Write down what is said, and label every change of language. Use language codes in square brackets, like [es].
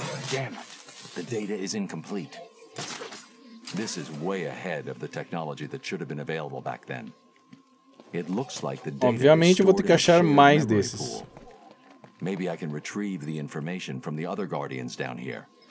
[en] Damn it. The data is incomplete. This is way ahead of the technology that should have been available back then. It looks like the data. [pt] Obviamente, eu vou ter que achar mais desses. [en] Maybe I can retrieve the information from the other guardians down here.